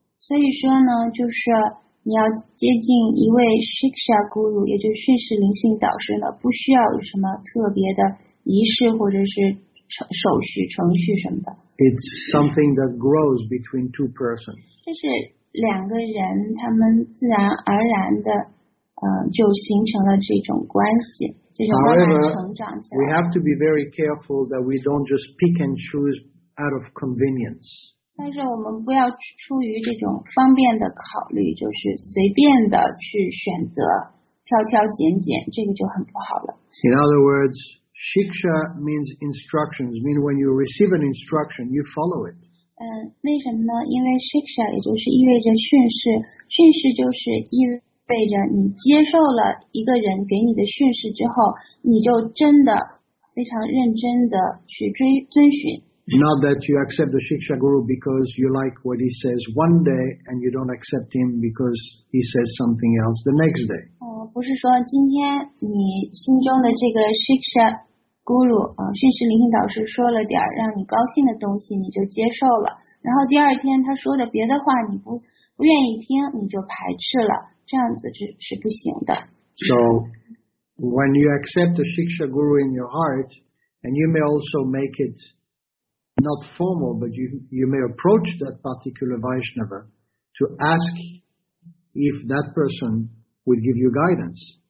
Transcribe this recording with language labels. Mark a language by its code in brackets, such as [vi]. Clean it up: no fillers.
[zh] 所以说呢，就是你要接近一位 Shiksha Guru, 也就是训示灵性导师呢，不需要有什么特别的仪式或者是手续、程序什么的。 [en] It's something that grows between two persons. [zh] 这是两个人他们自然而然的，就形成了这种关系。 [en] However, we have to be very careful that we don't just pick and choose out of convenience. [zh] 但是我们不要出于这种方便的考虑，就是随便的去选择，挑挑拣拣，这个就很不好了。 [en] In other words, Shiksha means instructions. Means when you receive an instruction, you follow it. [zh] 为什么呢？因为 Shiksha 也就是意味着训示，训示就是意味。背着你接受了一个人给你的训示之后，你就真的非常认真的去遵循。 [en] Not that you accept the Shiksha Guru because you like what he says one day, and you don't accept him because he says something else the next day. [zh] 不是说今天你心中的这个 Shiksha Guru 训示灵性导师说了点让你高兴的东西，你就接受了。然后第二天他说的别的话，你不愿意听，你就排斥了。这样子是不行的。 [en] So, when you accept the Shiksha Guru in your heart, and you may also make it not formal, but you may approach that particular Vaishnava to ask if that person will give you guidance.